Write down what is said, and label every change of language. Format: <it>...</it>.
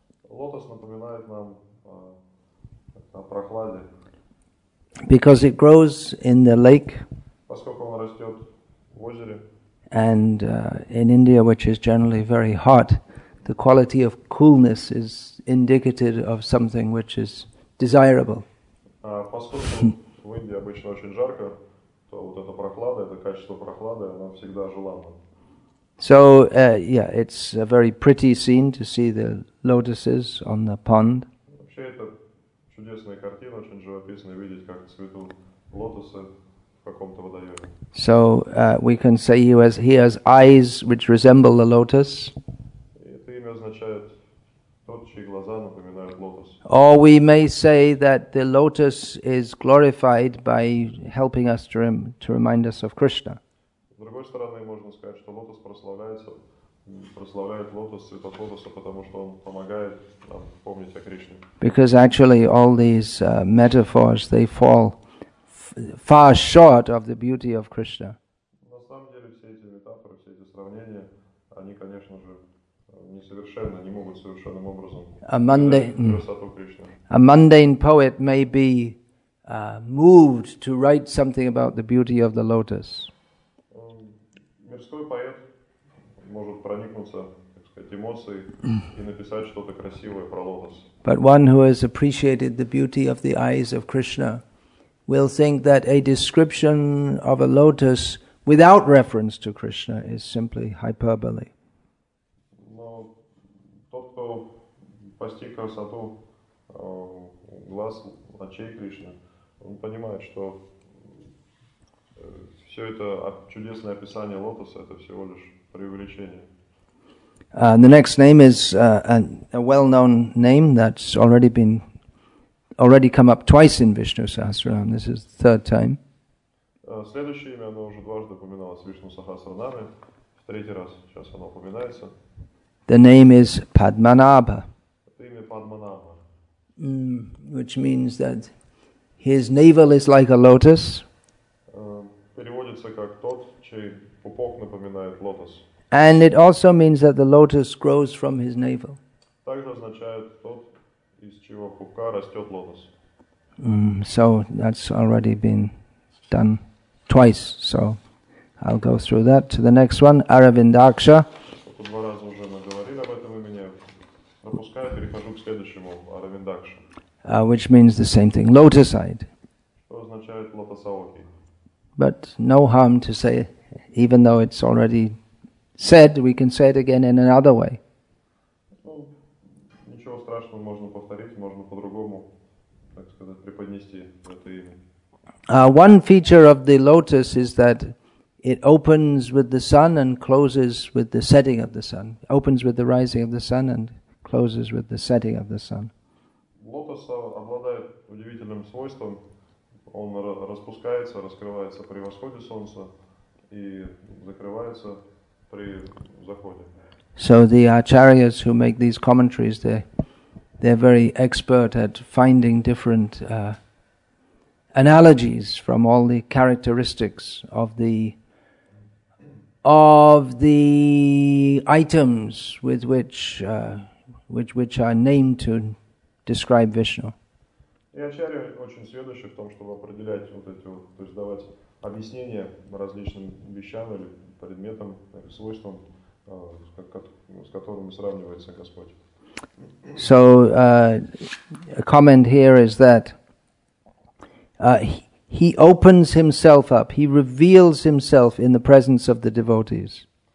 <ru>Lotus напоминает нам о прохладе.</ru> <en>Because it grows in the lake.</en> <ru>Поскольку он растет в озере.</ru> <en>And in India, which is generally very hot, the quality of coolness is indicative of something which is desirable.</en> <ru>В Индии обычно очень жарко, то вот эта прохлада, это качество прохлады, она всегда желанна.</ru> <en>So, it's a very pretty scene to see the lotuses on the pond.</en> <ru>Вообще, это чудесная картина, очень живописно видеть, как цветут лотосы в каком-то водоеме.</ru> <en>So, we can say he has eyes which resemble the lotus.</en> <ru>Это имя означает тот, чьи глаза напоминают лотос.</ru> <en>Or we may say that the lotus is glorified by helping us to remind us of Krishna.</en> <ru>С другой стороны, можно сказать, что лотос прославляет лотос, цветок лотоса, потому что он помогает нам помнить о Кришне.</ru> <en>Because actually all these metaphors, they fall far short of the beauty of Krishna.</en> <ru>На самом деле все эти метафоры, все эти сравнения, они, конечно же, несовершенны, не могут совершенным образом красоту Кришны.</ru> <en>A mundane poet may be moved to write something about the beauty of the lotus.</en> <ru>Мирской поэт может проникнуться, так сказать, эмоцией и написать что-то красивое про лотос.</ru> <en>But one who has appreciated the beauty of the eyes of Krishna will think that a description of a lotus without reference to Krishna is simply hyperbole.</en> <ru>Но тот, кто постиг красоту глаз, очей Кришны, он понимает, что все это чудесное описание лотоса — это всего лишь преувеличение.</ru> <en>The next name is a well-known name that's already come up twice in Vishnu Sahasranam. This is the third time.</en> <ru>Следующее имя, оно уже дважды упоминалось в Вишну Сахасранаме. В третий раз сейчас оно упоминается.</ru> <en>The name is Padmanabha.</en> <ru>Это имя Padmanabha.</ru> <en>Which means that his navel is like a lotus.</en> <ru>Переводится как тот, чей пупок напоминает лотос.</ru> <en>And it also means that the lotus grows from his navel.</en> <ru>Также означает тот, из чего пупка растет лотос.</ru> <en>So that's already been done twice. So I'll go through that to the next one, Aravindaksha.</en> <ru>Два раза уже мы говорили об этом имени. Пропускаю, перехожу к следующему, Aravindaksha.</ru> <en>Which means the same thing, lotus-eyed.</en> <ru>Что означает лотосоокий.</ru> <en>But no harm to say, even though it's already said, we can say it again in another way.</en> <ru>Ничего страшного, можно повторить, можно по-другому, так сказать, преподнести это имя.</ru> <en>One feature of the lotus is that it opens with the sun and closes with the setting of the sun. It opens with the rising of the sun and closes with the setting of the sun.</en> <ru>Лотос обладает удивительным свойством. Он распускается, раскрывается при восходе солнца и закрывается при заходе.</ru> <en>So the acharyas who make these commentaries, they're very expert at finding different analogies from all the characteristics of the items with which are named to describe Vishnu.</en> <ru>И ачарья очень сведущи в том, чтобы определять вот эти вот, то есть давать объяснения различным вещам или предметам, или свойствам, с которыми сравнивается Господь.</ru> <en>So a comment here is that he opens himself up, he reveals himself in the presence of the devotees.</en>